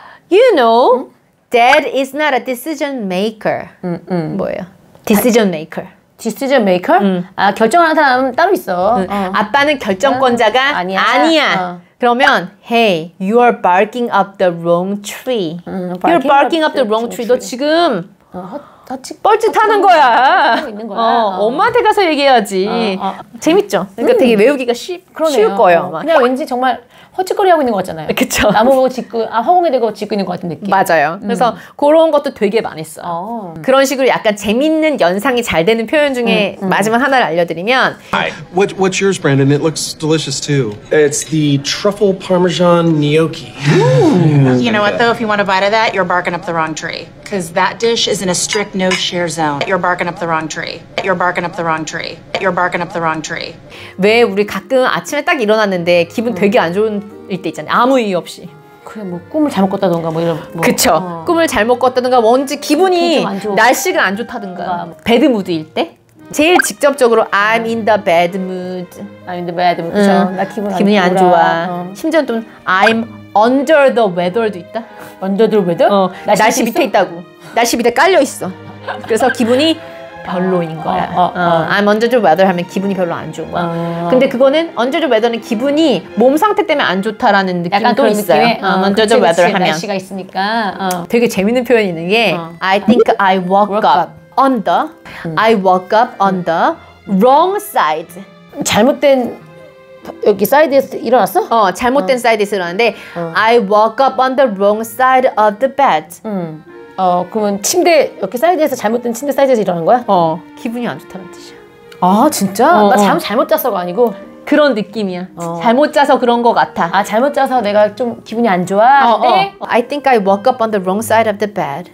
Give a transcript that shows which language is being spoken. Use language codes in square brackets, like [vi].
[en] You know, dad is not a decision maker. [ko] 뭐예요? Decision maker. [en] Decision maker? [ko] 아, 결정하는 사람 따로 있어. 아빠는 결정권자가 아니야. 그러면 [en] hey, you are barking up the wrong tree. You're barking up the wrong tree. [ko] 너 지금 뻘짓하는 거야. 있는 거야. 엄마한테 가서 얘기해야지. 재밌죠? 그러니까 되게 외우기가 쉬울 거예요. 막. 그냥 왠지 정말 헛짓거리하고 있는 것 같잖아요. 그쵸. 나무 보고 짓고, 허공에 대고 짓고 있는 것 같은 느낌. 맞아요. 그래서 그런 것도 되게 많이 써. 그런 식으로 약간 재밌는 연상이 잘 되는 표현 중에 마지막 하나를 알려드리면. [en] Hi, what's yours, Brandon? It looks delicious too. It's the truffle parmesan gnocchi. You know what though? If you want a bite of that, you're barking up the wrong tree. Because that dish is in a strict no share zone. You're barking up the wrong tree. You're barking up the wrong tree. You're barking up the wrong tree. [ko] 왜 우리 가끔 아침에 딱 일어났는데 기분 되게 안 좋은 일 때 있잖아요. 아무 이유 없이. 그래 뭐 꿈을 잘못 꿨다던가 뭐 이런. 뭐. 그쵸. 꿈을 잘못 꿨다던가 뭔지 기분이 날씨가 안 좋다던가. 배드 무드일 때. [en] 제일 직접적으로 I'm in the bad mood. I'm in the bad mood. [ko] 나 기분이 안 좋아. 심지어 좀 [en] I'm under the weather [ko] 도 있다. [en] Under the weather? [ko] 날씨 밑에 있다고. 날씨 밑에 깔려 있어. 그래서 기분이 별로인 거야. [en] I'm under the weather [ko] 하면 기분이 별로 안 좋은 거야. 근데 그거는 [en] under the weather [ko] 는 기분이 몸 상태 때문에 안 좋다라는 느낌도 약간 그런 있어요. [en] under the weather [ko] 하면 날씨가 있으니까. 되게 재밌는 표현이 있는 게 [en] I think I woke up on the I woke up on the wrong side. [ko] 잘못된 여기 사이드에서 일어났어? 잘못된 사이드에서 일어났는데 [en] I woke up on the wrong side of the bed. [ko] 그러면 침대 이렇게 사이드에서 잘못된 침대 사이즈에서 일어난 거야? 기분이 안 좋다는 뜻이야. 아 진짜? 나 잘못 잤어가 아니고? 그런 느낌이야. 잘못 자서 그런 거 같아. 아 잘못 자서 내가 좀 기분이 안 좋아? [en] I think I woke up on the wrong side of the bed.